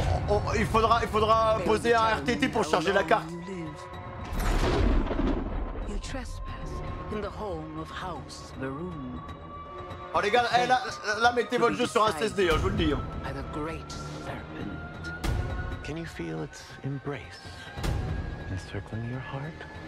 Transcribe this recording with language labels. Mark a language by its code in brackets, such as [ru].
[fr] Oh, il faudra poser un RTT pour charger la carte. [en] You trespass in the home of House Varun. [fr] Oh les gars, là mettez votre jeu sur un SSD, hein, je vous le dis. [en] By the great serpent. Can you feel its embrace encircling your heart?